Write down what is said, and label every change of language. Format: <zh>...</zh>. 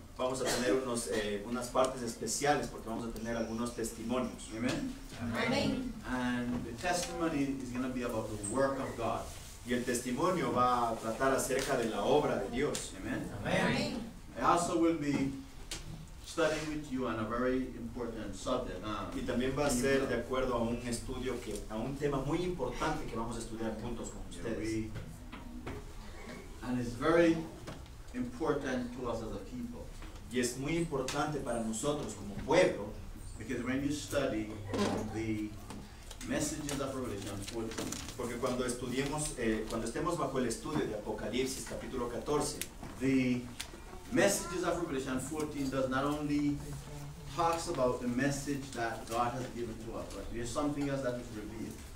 <es>Vamos a tener unos unas partes especiales porque vamos a tener algunos testimonios.</es> <en>Amen. Amen. And the testimony is going to be about the work of God.</en> <es>Y el testimonio va a tratar acerca de la obra de Dios.</es> <en>Amen. Amen. I also will be studying with you on a very important subject.</en> <es>Y también va a ser de acuerdo a un estudio que a un tema muy importante que vamos a estudiar juntos con ustedes.</es> <en>And it's very important to us as a people.</en> <es>Y es muy importante para nosotros como pueblo,</es> <en>because when you study the messages of Revelation 14,</en> <es>porque cuando estudiemos, cuando estemos bajo el estudio de Apocalipsis capítulo 14,</es> <en>the messages of Revelation 14 does not only talks about the message that God has given to us, but there's something else that is revealed.</en>